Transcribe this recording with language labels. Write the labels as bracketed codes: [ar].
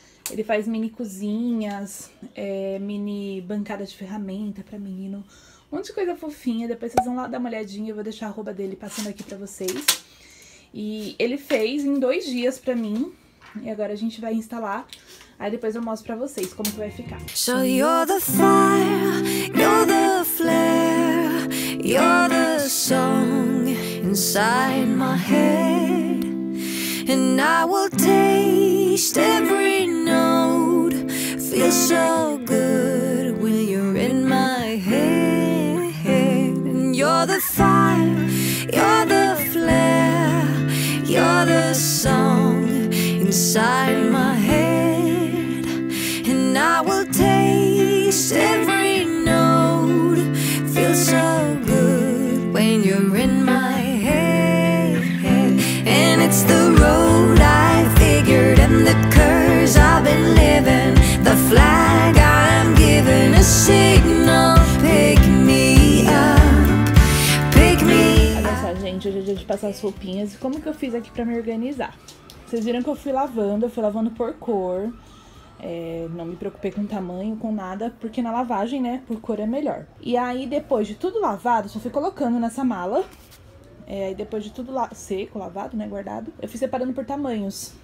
[pt] Ele faz mini cozinhas, mini bancada de ferramenta pra menino, um monte de coisa fofinha. Depois vocês vão lá dar uma olhadinha, eu vou deixar a arroba dele passando aqui pra vocês. E ele fez em 2 dias pra mim. E agora a gente vai instalar. Aí depois eu mostro pra vocês como que vai ficar. [en] So you're the fire, you're the flare, you're the song inside my head. And I will taste every note, feel so good when you're in my head. And you're the fire, you're the flare, you're the song inside my head. And I will taste every note, feel so good when you're in my head. And it's the road I figured, and the curse I've been living, the flag I'm given, a signal. Pick me up, pick me up. [pt] Olha só, gente, hoje é dia de passar as roupinhas. E como que eu fiz aqui pra me organizar? Vocês viram que eu fui lavando por cor, não me preocupei com tamanho, com nada, porque na lavagem, né, por cor é melhor. E aí, depois de tudo lavado, só fui colocando nessa mala, aí depois de tudo seco, lavado, né, guardado, eu fui separando por tamanhos.